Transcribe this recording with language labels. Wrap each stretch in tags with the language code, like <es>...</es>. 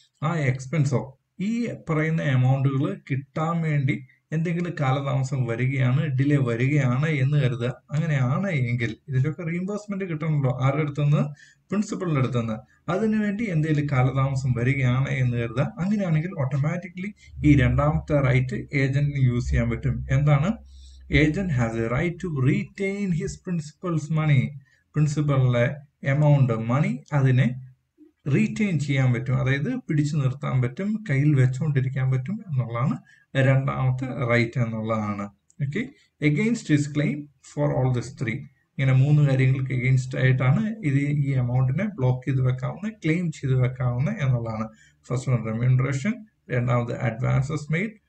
<ml>ആ എക്സ്പെൻസോ ഈ പറയുന്ന എമൗണ്ടുകൾ കിട്ടാൻ വേണ്ടി എന്തെങ്കിലും കാലതാമസം വരികയാണ്, ഡിലേ വരികയാണ് എന്ന് കരുതുക. അങ്ങനെയാണ് എങ്കിൽ ഇതിലൊക്കെ റീഇംബേഴ്സ്മെന്റ് കിട്ടണമല്ലോ ആരുടെ അടുത്തുനിന്ന്, പ്രിൻസിപ്പളിൻ്റെ അടുത്തുനിന്ന്. അതിനുവേണ്ടി എന്തെങ്കിലും കാലതാമസം വരികയാണ് എന്ന് കരുതുക. അങ്ങനെയാണെങ്കിൽ ഓട്ടോമാറ്റിക്കലി ഈ രണ്ടാമത്തെ റൈറ്റ് ഏജന്റിന് യൂസ് ചെയ്യാൻ പറ്റും. എന്താണ്?</ml> <en>Agent has a right to retain his principal's money.</en> <ml>Principal-ന്റെ amount മണി അതിനെ റീറ്റെയിൻ ചെയ്യാൻ പറ്റും, അതായത് പിടിച്ചു നിർത്താൻ പറ്റും, കയ്യിൽ വെച്ചുകൊണ്ടിരിക്കാൻ പറ്റും എന്നുള്ളതാണ് രണ്ടാമത്തെ റൈറ്റ് എന്നുള്ളതാണ്. Okay,</ml> <en>Against his claim for all this three.</en> <ml>ഇങ്ങനെ മൂന്ന് കാര്യങ്ങൾക്ക് എഗെയിൻസ്റ്റ് ആയിട്ടാണ് ഇത് ഈ എമൗണ്ടിനെ ബ്ലോക്ക് ചെയ്ത് വെക്കാവുന്ന, ക്ലെയിം ചെയ്ത് വെക്കാവുന്ന എന്നുള്ളതാണ്.</ml> <en>first one remuneration,</en> <ml>രണ്ടാമത്</ml> <en>advances made,</en>